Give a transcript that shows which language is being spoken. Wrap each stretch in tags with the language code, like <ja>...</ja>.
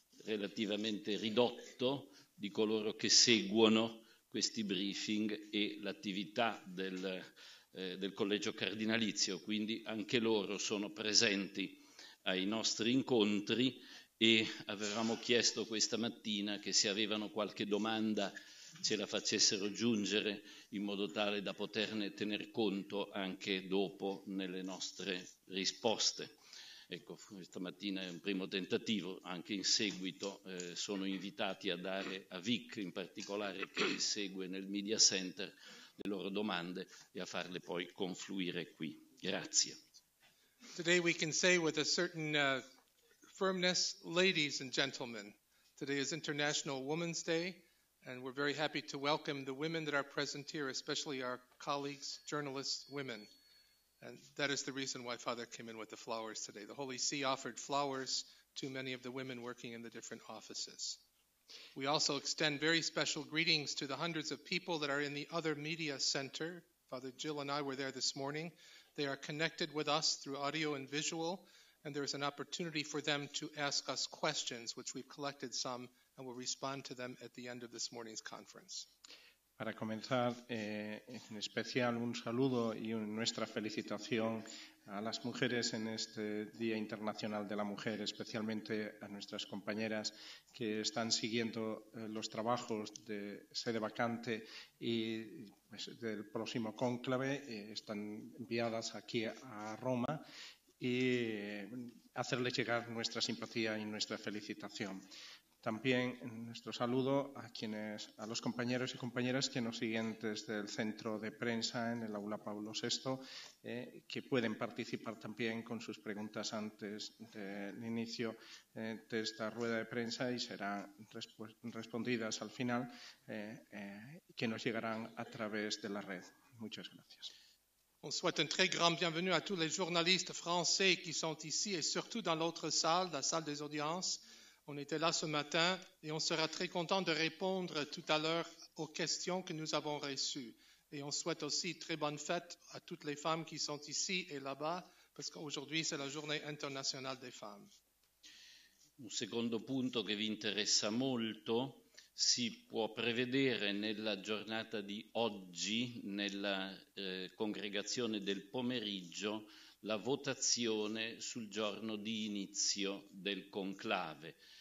<it>relativamente ridotto di coloro che seguono questi briefing e l'attività del Collegio Cardinalizio, quindi anche loro sono presenti ai nostri incontri e avevamo chiesto questa mattina che se avevano qualche domanda ce la facessero giungere in modo tale da poterne tener conto anche dopo nelle nostre risposte. Ecco, questa mattina è un primo tentativo, anche in seguito sono invitati a dare a Vic in particolare che segue nel Media Center le loro domande e a farle poi confluire qui. Grazie.</it> <en>Today we can say with a certain firmness, ladies and gentlemen, today is International Women's Day, and we're very happy to welcome the women that are present here, especially our colleagues, journalists, women. And that is the reason why Father came in with the flowers today. The Holy See offered flowers to many of the women working in the different offices. We also extend very special greetings to the hundreds of people that are in the other media center. Father Jill and I were there this morning. They are connected with us through audio and visual, and there is an opportunity for them to ask us questions, which we've collected some, and we'll respond to them at the end of this morning's conference.</en> <es>Para comenzar, en especial, un saludo y nuestra felicitación a las mujeres en este Día Internacional de la Mujer, especialmente a nuestras compañeras que están siguiendo los trabajos de sede vacante y pues, del próximo cónclave. Están enviadas aquí a Roma y hacerles llegar nuestra simpatía y nuestra felicitación. También nuestro saludo a los compañeros y compañeras que nos siguen desde el centro de prensa en el Aula Pablo VI, que pueden participar también con sus preguntas antes del inicio de esta rueda de prensa y serán respondidas al final, que nos llegarán a través de la red. Muchas gracias.</es> <fr>On souhaite un très grand bienvenue à tous les journalistes français qui sont ici et surtout dans l'autre salle, la salle des audiences. On était là ce matin et on sera très content de répondre tout à l'heure aux questions que nous avons reçues. Et on souhaite aussi très bonne fête à toutes les femmes qui sont ici et là-bas, parce qu'aujourd'hui c'est la journée internationale des femmes.</fr> <it>Un secondo punto che vi interessa molto, si può prevedere nella giornata di oggi, nella congregazione del pomeriggio, la votazione sul giorno di inizio del conclave.</it>